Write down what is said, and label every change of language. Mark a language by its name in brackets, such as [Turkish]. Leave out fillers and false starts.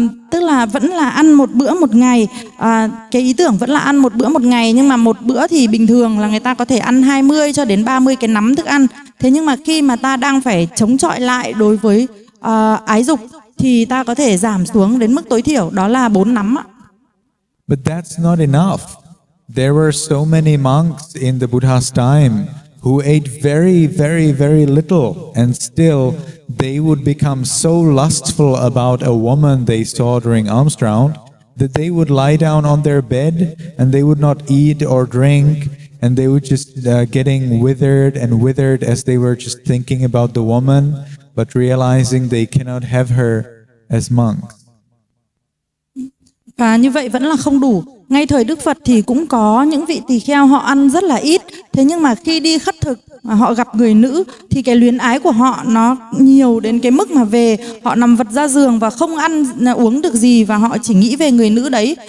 [Vietnamese] Tức là vẫn là ăn một bữa một ngày, cái ý tưởng vẫn là ăn một bữa một ngày, nhưng mà một bữa thì bình thường là người ta có thể ăn 20 cho đến 30 cái nắm thức ăn. Thế nhưng mà khi mà ta đang phải chống chọi lại đối với ái dục thì ta có thể giảm xuống đến mức tối thiểu, đó là 4 nắm ạ. [English] But that's not enough. There were so many monks in the Buddha's time who ate very, very, very little, and still they would become so lustful about a woman they saw during alms round that they would lie down on their bed and they would not eat or drink, and they were just getting withered and withered as they were just thinking about the woman, but realizing they cannot have her as monks. [Vietnamese] Và như vậy vẫn là không đủ. Ngay thời Đức Phật thì cũng có những vị tỳ kheo họ ăn rất là ít. Thế nhưng mà khi đi khất thực mà họ gặp người nữ thì cái luyến ái của họ nó nhiều đến cái mức mà về họ nằm vật ra giường và không ăn uống được gì, và họ chỉ nghĩ về người nữ đấy.